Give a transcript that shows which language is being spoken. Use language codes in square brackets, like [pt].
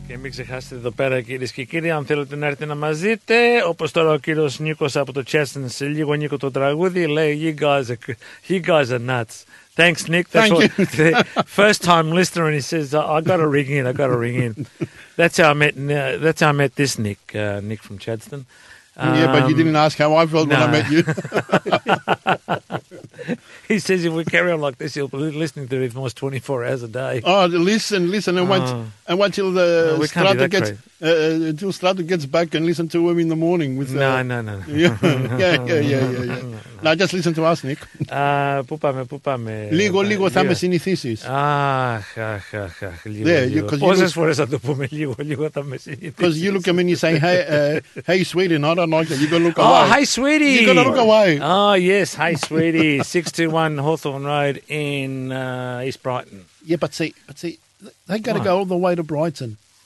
[el] Ξεχάσετε εδώ πέρα, κυρίες και κύριοι, αν θέλετε να έρθετε να μας δείτε. Όπως τώρα ο κύριος Νίκος από το Chessin, σε λίγο Νίκο το τραγούδι, λέει [en] he goes nuts. Thanks, Nick. That's Thank you. The first time listener, and he says, I got to ring in. That's how I met this Nick, Nick from Chadston. Yeah, but you didn't ask how I felt when I met you. He says if we carry on like this, he'll be listening to it almost 24 hours a day. Oh, listen, and wait till Strato gets back and listen to him in the morning. No. Yeah. Now just listen to us, Nick. [el] Πού πάμε. Λίγο θα με συνηθίσεις. Αχ, λίγο. Πόσες φορές θα το πούμε, λίγο θα με συνηθίσεις. [en] Because you look at me and you say, hey, sweetie, no, I don't like that. You gotta look away. Oh, hi, sweetie. You gotta look away. Oh, yes, hi, sweetie. 621 Hawthorne Road in East Brighton. Yeah, but see, they gotta go all the way to Brighton.